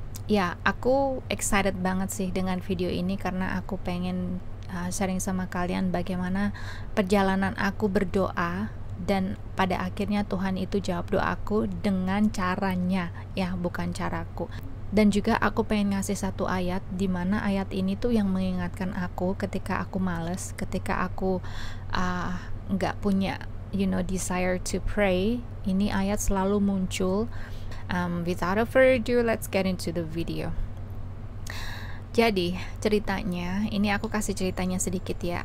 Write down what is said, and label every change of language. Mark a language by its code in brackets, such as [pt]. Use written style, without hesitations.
[id] Ya, aku excited banget sih dengan video ini karena aku pengen sharing sama kalian bagaimana perjalanan aku berdoa dan pada akhirnya Tuhan itu jawab doaku dengan caranya, ya bukan caraku. Dan juga aku pengen ngasih satu ayat di mana ayat ini tuh yang mengingatkan aku ketika aku males, ketika aku nggak punya [en] desire to pray. [id] Ini ayat selalu muncul. [en] Without further ado, let's get into the video. [id] Jadi ceritanya, ini aku kasih ceritanya sedikit ya.